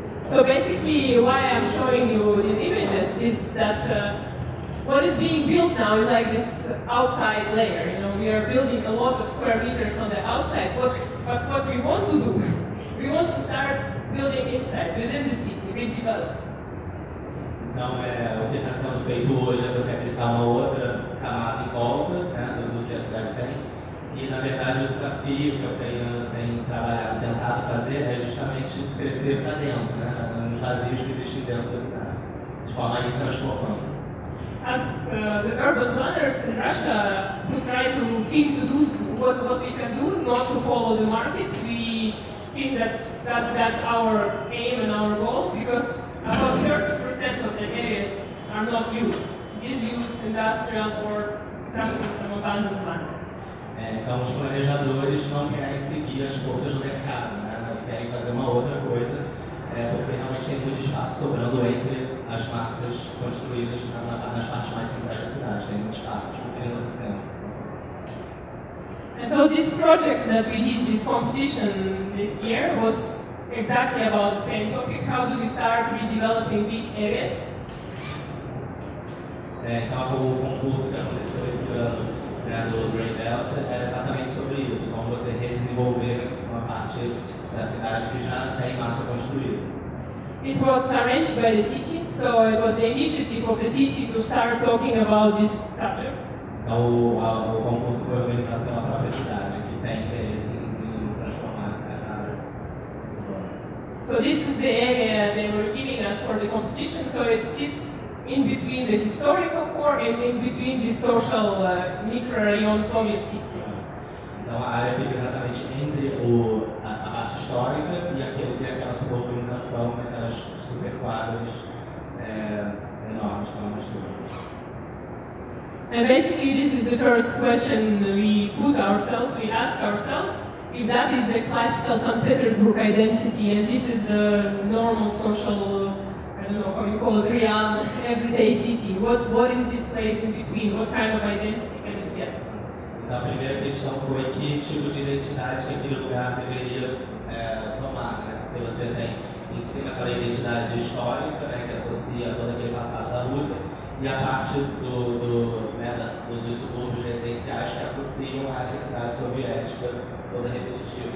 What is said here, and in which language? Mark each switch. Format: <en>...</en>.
<en>So basically why I'm showing you these images is that what is being built now is like this outside layer. You know, we are building a lot of square meters on the outside. But what we want to do, we want to start building inside, within the city, redevelop.</en> <pt>Então, o que está sendo feito hoje é você acreditar uma outra camada em volta, né, do que a cidade tem. E, na verdade, o desafio que eu tenho trabalhado, tentado fazer é justamente crescer para dentro, né, nos vazios que existem dentro da cidade, de forma a ir transformando.</pt> <en>As the urban planners in Russia who try to think to do what we can do, not to follow the market, we think that's our aim and our goal, because about 30% of the areas are not used. It is used industrial or sometimes some abandoned land.</en> <pt>Então os planejadores não querem seguir as forças do mercado, né? Querem fazer uma outra coisa, porque realmente tem muito espaço sobrando entre as massas construídas nas partes mais centrais da cidade, tem muito espaço, tipo 30%.</pt> <en>And so this project that we did, this competition this year, was exactly about the same topic. How do we start redeveloping big areas?</en> <pt>Então o concurso que aconteceu esse ano do Green Belt era exatamente sobre isso, como você redesenvolver uma parte da cidade que já tem massa construída.</pt> <en>It was arranged by the city, so it was the initiative of the city to start talking about this subject.</en> <pt>Então, o concurso foi organizado pela própria cidade, que tem interesse em transformar essa área.</pt> <en>So this is the area they were giving us for the competition, so it sits in between the historical core and in between the social micro-rayon Soviet city.</en> <pt>Então, a área fica exatamente entre a parte histórica e aquilo que é aquela suburbanização, aquelas superquadras enormes, como nós temos.</pt> <en>And basically, this is the first question we put ourselves, we ask ourselves, if that is the classical St. Petersburg identity and this is the normal social don't know how you call it, real everyday city? What is this place in between? What kind of identity can it get?</en> <pt>A primeira questão foi que tipo de identidade que aquele lugar deveria tomar, né? Porque você tem em cima aquela identidade histórica, né, que associa todo aquele passado da Rússia, e a parte dos subúrbios residenciais que associam a essa cidade soviética toda repetitiva.</pt>